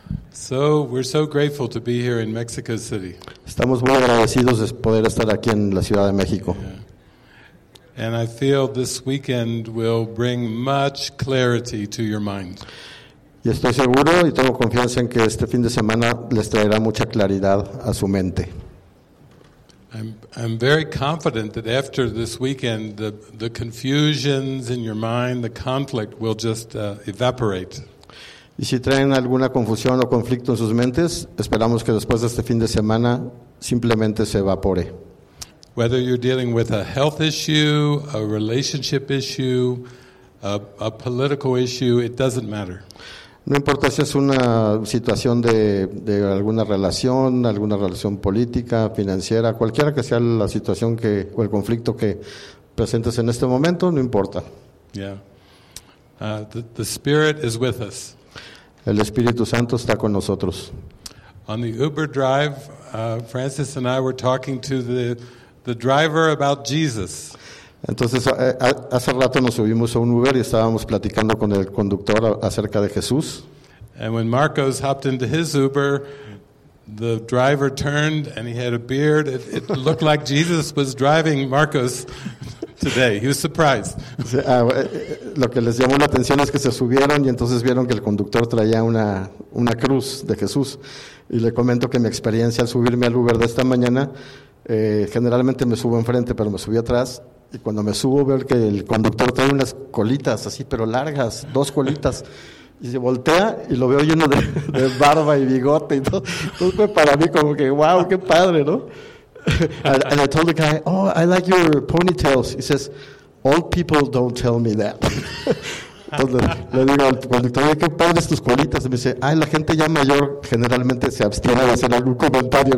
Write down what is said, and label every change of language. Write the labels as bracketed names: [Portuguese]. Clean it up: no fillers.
[English] So we're so grateful to be here in Mexico City. [Spanish] Estamos muy agradecidos de poder estar aquí en la Ciudad de México. Yeah. [English] And I feel this weekend will bring much clarity to your mind. [Spanish] Y estoy seguro y tengo confianza en que este fin de semana les traerá mucha claridad a su mente. [English] I'm very confident that after this weekend the confusions in your mind, the conflict will just evaporate. [Spanish] Y si traen alguna confusión o conflicto en sus mentes, esperamos que después de este fin de semana simplemente se evapore. [English] Whether you're dealing with a health issue, a relationship issue, a political issue, it doesn't matter. [Spanish] No importa si es una situación de alguna relación política, financiera, cualquiera que sea la situación que o el conflicto que presentes en este momento, no importa. [English] Yeah. The Spirit is with us. [Spanish] El Espíritu Santo está con nosotros. [English] On the Uber drive, Frances and I were talking to the driver about Jesus. [Spanish] Entonces, hace rato nos subimos a un Uber y estábamos platicando con el conductor acerca de Jesús. [English] And when Marcos hopped into his Uber, the driver turned and he had a beard. It looked like Jesus was driving Marcos today. He was surprised. [Spanish] Lo que les llamó la atención es que se subieron y entonces vieron que el conductor traía una cruz de Jesús. Y le comento que mi experiencia al subirme al Uber de esta mañana, generalmente me subo enfrente, pero me subí atrás. Y cuando me subo, veo que el conductor trae unas colitas así, pero largas, dos colitas. Y se voltea y lo veo lleno de barba y bigote y todo. Entonces fue para mí como que, wow, qué padre, ¿no? [English] And I told the guy, oh, I like your ponytails. He says, old people don't tell me that. [Spanish] Entonces le digo al conductor, qué padres tus colitas. Y me dice, ay, la gente ya mayor generalmente se abstiene de hacer algún comentario.